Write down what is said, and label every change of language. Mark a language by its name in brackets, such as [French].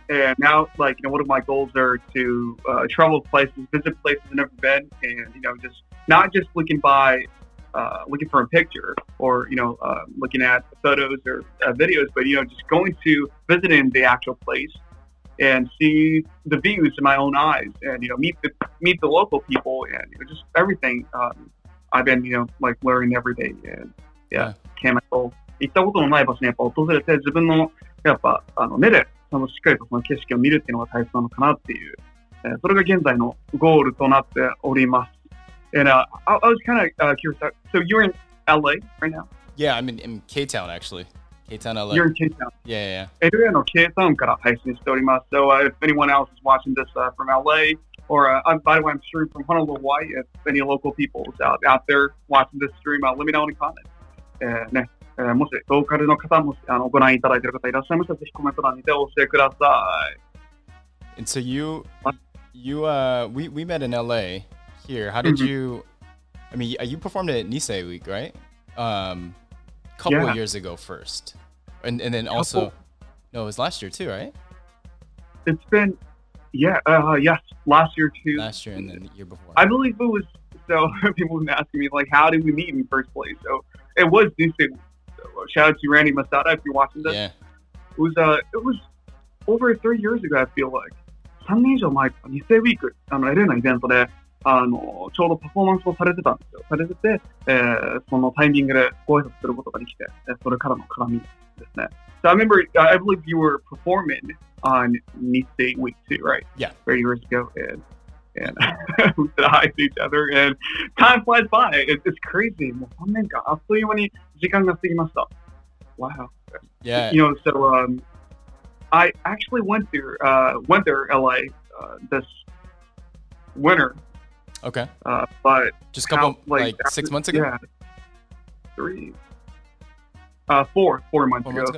[English] And now, like, you know, one of my goals are to travel places, visit places I've never been, and, you know, just not just looking for a picture or, you know, looking at photos or videos, but, you know, just going to visiting the actual place and see the views in my own eyes, and you know, meet the local people, and you know, just everything. I've been, you know, like learning every day, and yeah, chemical. [Japanese] 行ったこともない場所にやっぱ訪れて自分のやっぱあの目でそのしっかりとその景色を見るっていうのが大切なのかなっていう、それが現在のゴールとなっております。 [English] And I was kind of curious. So you're in LA right now? Yeah, I'm in K-Town actually. K-Town, LA. You're in K-Town. Yeah. [Japanese] LA の K-Town から配信しております。 [English] So if anyone else is watching this from LA, or by the way, I'm streaming from Honolulu, Hawaii. If any local people is out there watching this stream, let me know in the comments. ね。 [Japanese] もしローカルの方もあのご覧いただいている方いらっしゃいましたらぜひコメント欄にて教えてください。 [English] And so we met in LA here. How did you? I mean, you performed at Nisei Week, right? Couple of years ago first, and then also, no, it was last year too, right? It's been yes, last year too. Last year and then the year before. I believe it was. So people have been asking me like, how did we meet in the first place? So it was Nisei Week. Shout out to Randy Masada if you're watching this. Yeah. It was over 3 years ago, I feel like. [Japanese] 3年以上前か、Nisei Week、あの、LA のイベントで、あの、ちょうどパフォーマンスをされてたんですよ。されてて、そのタイミングでご挨拶することができて、それからの絡みですね。 [English] So I remember, I believe you were performing on Nisei Week too, right? Yeah. 3 years ago. And we said hi to each other, and time flies by. It's crazy. [Japanese] もう3年間、あっという間に時間が過ぎました。 [English] Wow. Yeah. You know, so I actually went there, LA, this winter. Okay. But just couple like 6 months ago. Yeah. Four months ago.